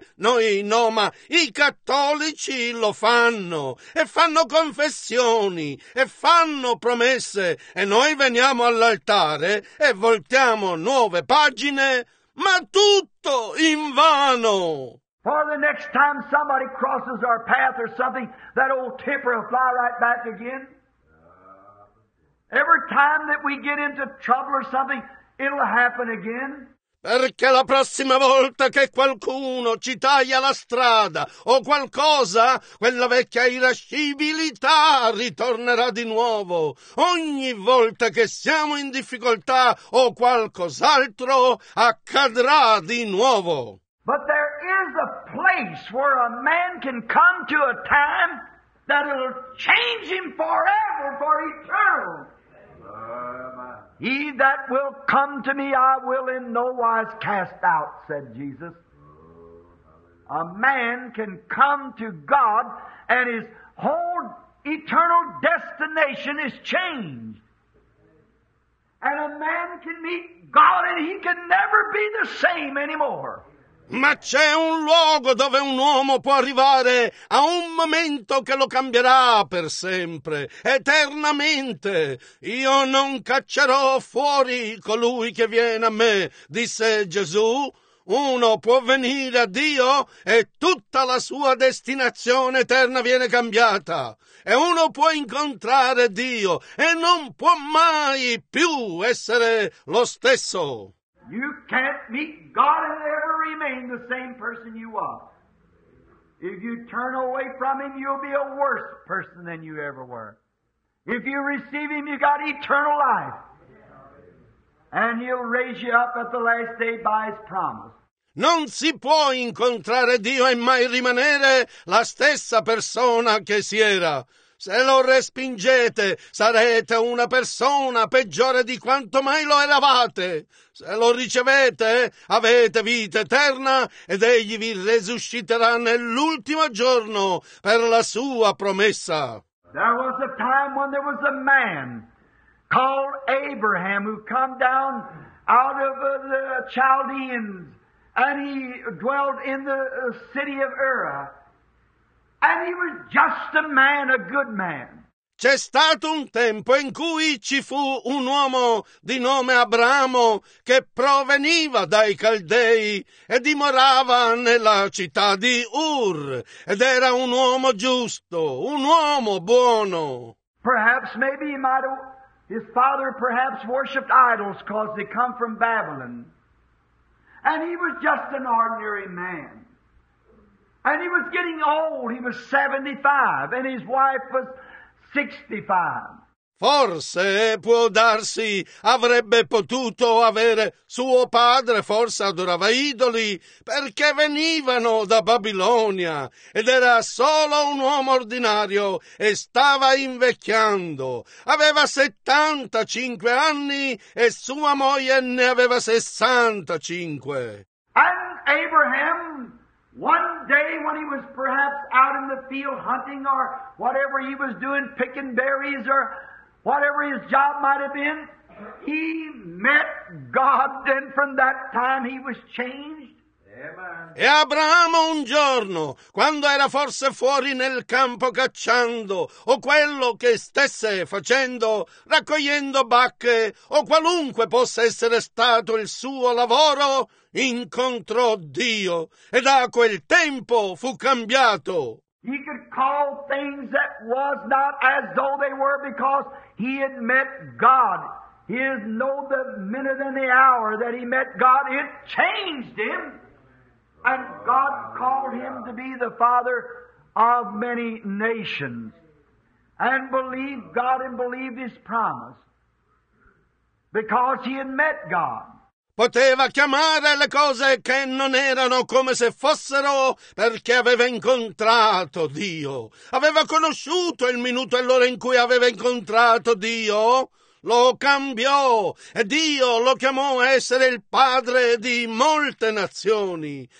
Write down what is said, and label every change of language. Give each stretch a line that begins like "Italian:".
Italian: Noi no, ma i cattolici lo fanno e fanno confessioni e fanno promesse e noi veniamo all'altare e voltiamo nuove pagine. Ma tutto in vano.
English: For the next time somebody crosses our path or something, that old temper will fly right back again. Every time that we get into trouble or something, it'll happen again.
Italian: Perché la prossima volta che qualcuno ci taglia la strada o qualcosa, quella vecchia irascibilità ritornerà di nuovo. Ogni volta che siamo in difficoltà o qualcos'altro, accadrà di nuovo.
English: But there is a place where a man can come to a time that it'll change him forever, for eternal. He that will come to me, I will in no wise cast out, said Jesus. A man can come to God and his whole eternal destination is changed. And a man can meet God and he can never be the same anymore.
Italian: Ma c'è un luogo dove un uomo può arrivare a un momento che lo cambierà per sempre, eternamente. Io non caccerò fuori colui che viene a me, disse Gesù, Uno può venire a Dio e tutta la sua destinazione eterna viene cambiata. E uno può incontrare Dio e non può mai più essere lo stesso.
English: You can't meet God and ever remain the same person you are. If you turn away from Him, you'll be a worse person than you ever were. If you receive Him, you got eternal life. And He'll raise you up at the last day by His promise.
Italian: Non si può incontrare Dio e mai rimanere la stessa persona che si era. Se lo respingete, sarete una persona peggiore di quanto mai lo eravate. Se lo ricevete, avete vita eterna ed Egli vi resusciterà nell'ultimo giorno per la sua promessa.
English: There was a time when there was a man called Abraham who come down out of the Chaldeans and he dwelt in the city of Ur. And he was just a man, a good man.
Italian: C'è stato un tempo in cui ci fu un uomo di nome Abramo che proveniva dai Caldei e dimorava nella città di Ur. Ed era un uomo giusto, un uomo buono.
English: Perhaps maybe he might have, his father perhaps worshipped idols because they come from Babylon. And he was just an ordinary man. And he was getting old, he was 75, and his wife was 65.
Italian: Forse può darsi avrebbe potuto avere suo padre, forse adorava idoli, perché venivano da Babilonia, ed era solo un uomo ordinario e stava invecchiando. Aveva 75 anni e sua moglie ne aveva 65.
English: And Abraham, one day when he was perhaps out in the field hunting or whatever he was doing, picking berries or whatever his job might have been, he met God, and from that time he was changed.
Italian: E Abramo un giorno, quando era forse fuori nel campo cacciando, o quello che stesse facendo, raccogliendo bacche, o qualunque possa essere stato il suo lavoro, incontrò Dio, e da quel tempo fu cambiato.
English: He could call things that was not as though they were because he had met God. He had known the minute and the hour that he met God. It changed him. And God called him to be the father of many nations. And believed God and believed his promise. Because he had met God.
Italian: Poteva chiamare le cose che non erano come se fossero perché aveva incontrato Dio. Aveva conosciuto il minuto e l'ora in cui aveva incontrato Dio. Lo cambiò e Dio lo chiamò a essere il padre di molte nazioni.